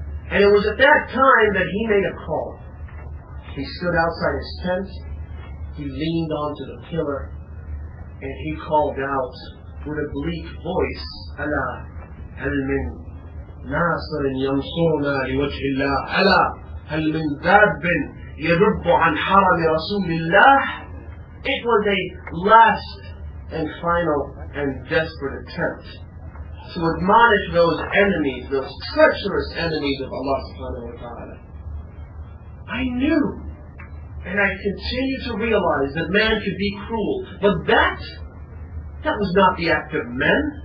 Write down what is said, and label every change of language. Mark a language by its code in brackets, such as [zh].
[en] And it was at that time that he made a call. He stood outside his tent, he leaned onto the pillar, and he called out with a bleak voice, [ar] "Ala, hal min nasirin yansuruna liwajhi Allah? Ala, hal min dabbin يَرُبُّ عَنْ حَرَمِ رَسُولِ اللَّهِ." [en] It was a last and final and desperate attempt to admonish those enemies, those treacherous enemies of Allah subhanahu wa ta'ala. I knew, and I continue to realize, that man could be cruel, but that was not the act of men.